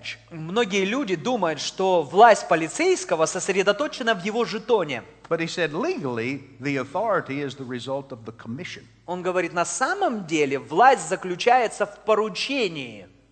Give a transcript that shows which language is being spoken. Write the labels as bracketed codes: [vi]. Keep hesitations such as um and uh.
[ru] Многие люди думают, что власть полицейского сосредоточена в его жетоне. [en] But he said, legally, the authority is the result of the commission. [ru] Он говорит, на самом деле власть заключается в поручении.